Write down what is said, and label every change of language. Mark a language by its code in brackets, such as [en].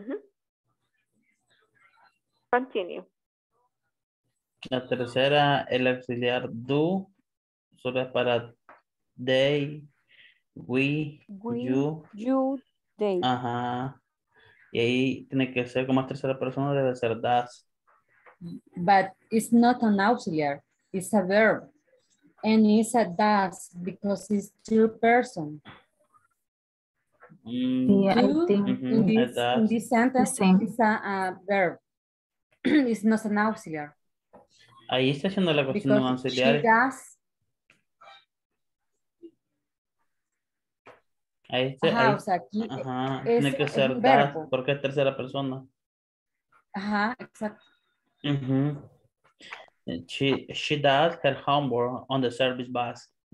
[en] Uh-huh. Continue. [es] La tercera, el auxiliar do, solo es para they, we, you, they. Ajá. Y ahí tiene que ser como tercera persona, debe ser does. [en] But it's not an auxiliar, it's a verb. And it's a does because it's two person. Yeah, I think in this sentence, it's a verb. It's not an auxiliar. [es] Ahí está haciendo la cuestión de auxiliar. Ahí está. Ajá, ahí, o sea, aquí ajá, es, tiene que ser das porque es tercera persona. Ajá, exacto. Uh-huh. [en] She does her homework on the service bus.